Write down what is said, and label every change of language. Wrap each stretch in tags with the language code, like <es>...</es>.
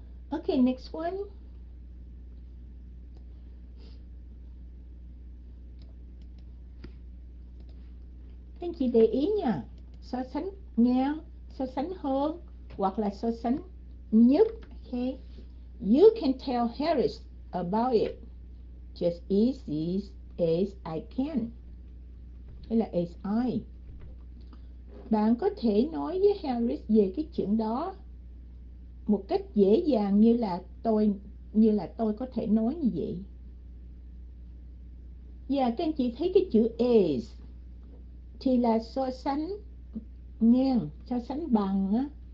<en>Ok, next one.</en> <vi>Anh chị để ý nha, so sánh ngang, so sánh hơn, hoặc là so sánh nhất.</vi> <en>Okay. You can tell Harris about it just as I can.</en> <vi>Hay là</vi> <en>as I.</en> <vi>Bạn có thể nói với Harris về cái chuyện đó một cách dễ dàng như là tôi có thể nói như vậy. Và các anh chị thấy cái chữ as thì là so sánh ngang, so sánh bằng á.</vi>